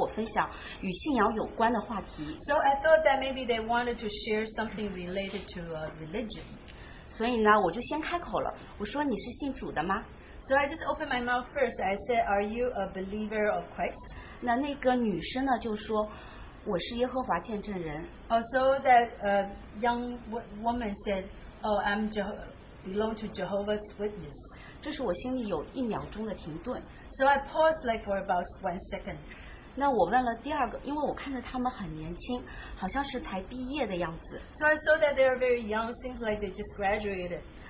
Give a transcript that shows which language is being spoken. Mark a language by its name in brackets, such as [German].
[Chinese] 那我就立刻想到说，他们可能想跟我分享与信仰有关的话题。 [English] So I thought that maybe they wanted to share something related to religion. [Chinese] 所以呢，我就先开口了，我说你是信主的吗？ [English] So I just opened my mouth first. I said, are you a believer of Christ? [Chinese] 那个女生呢就说，我是耶和华见证人。 [English] Also that young woman said, oh, I'm belong to Jehovah's Witness. [Chinese] 这是我心里有一秒钟的停顿。 [English] So I paused like for about 1 second. [Chinese] 那我问了第二个，因为我看着他们很年轻，好像是才毕业的样子。 [English] So I saw that they are very young, seems like they just graduated.